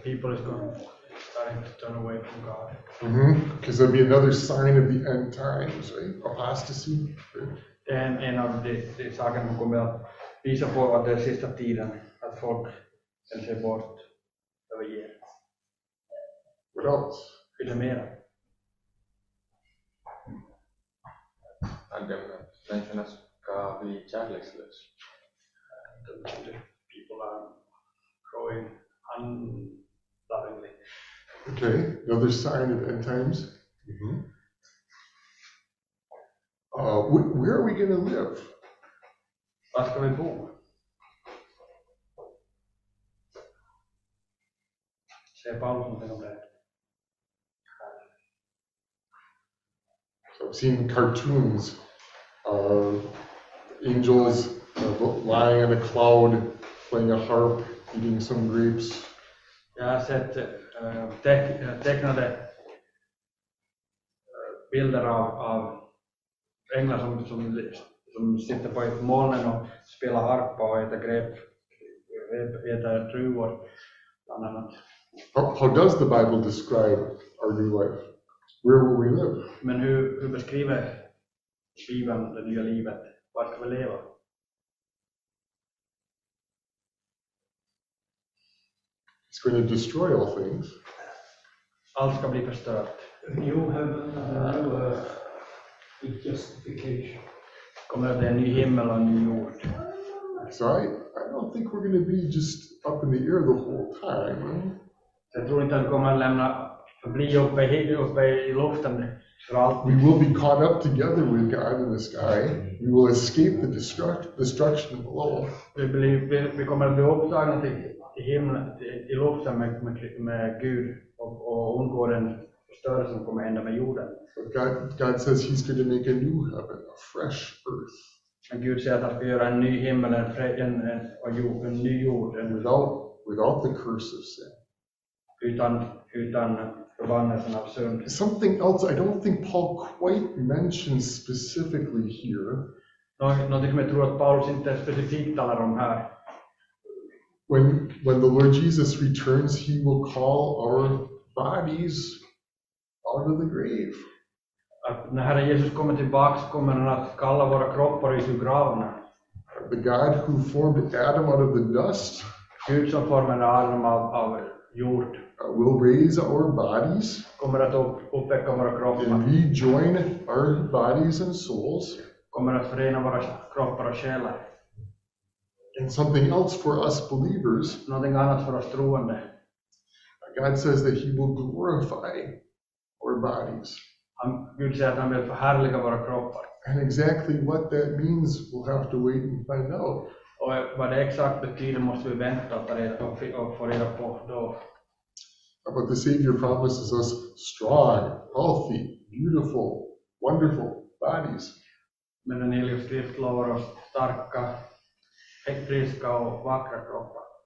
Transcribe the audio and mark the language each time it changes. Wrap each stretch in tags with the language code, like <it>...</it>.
<en>people is going starting to turn away from God. Because there'll be another sign of the end times, right? Apostasy. And of the</en> <sv>saken som kommer visa på att det sista tiden att folk vill se bort över er.</sv> <en>What else?</en> <sv>Vill du mera?</sv> <en>I'll get that. Thank you, Nasu. The childlessness. The people are growing unlovingly. Okay, another sign of end times. Where are we going to live?</en> <sv>Was ska vi bo? Säger Paulus någonting om det?</sv> <en>So I've seen cartoons. Angels lying on a cloud, playing a harp, eating some grapes.</en> <sv>Jag har sett tecknade bilder av änglar som sitter på ett moln och spelar harpa och äter grep, äter druvor, bland annat.</sv> <en>How does the Bible describe our new life? Where will we live?</en> <sv>Men hur beskriver Bibeln det nya livet? Var ska vi leva?</sv> <en>It's going to destroy all things.</en> <sv>Allt ska bli förstört.</sv> <en>New heaven and new earth. With justification.</en> <sv>Kommer det en ny himmel och en ny jord.</sv> <en>So I don't think we're going to be just up in the air the whole time.</en> <sv>Jag tror inte att vi kommer lämna förbli uppe i luften.</sv> <en>We will be caught up together with God in the sky. We will escape the destruction below.</en> <sv>Vi blir vi kommer att bli upptagna till himlen i luften med Gud och undgå den förstörelse som kommer hända med jorden.</sv> <en>God says he's going to make a new heaven, a fresh earth.</en> <sv>And Gud säger att han ska göra en ny himmel och en ny jord.</sv> <en>Without the curse of sin.</en> <sv>Utan förbannelsen av synd.</sv> <en>Something else I don't think Paul quite mentions specifically here.</en> <sv>Någonting som jag tror att Paulus inte specifikt talar om här.</sv> <en>When the Lord Jesus returns, he will call our bodies out of the grave.</en> <sv>Att när Herren Jesus kommer tillbaka kommer han att kalla våra kroppar ur gravarna.</sv> <en>The God who formed Adam out of the dust.</en> <sv>Gud som formade Adam av jord.</sv> <en>Will raise our bodies.</en> <sv>Kommer att uppväcka våra kroppar.</sv> <en>And rejoin our bodies and souls.</en> <sv>Kommer att förena våra kroppar och själar.</sv> <en>And something else for us believers.</en> <sv>Någonting annat för oss troende.</sv> <en>God says that he will glorify our bodies.</en> <sv>Gud säger att han vill förhärliga våra kroppar.</sv> <en>And exactly what that means, we'll have to wait and find out.</en> <sv>Och vad det exakt betyder måste vi vänta och få reda på då.</sv> <en>But the Savior promises us strong, healthy, beautiful, wonderful bodies.</en> <sv>Men den heliga skrift lovar oss starka, friska och vackra kroppar.</sv>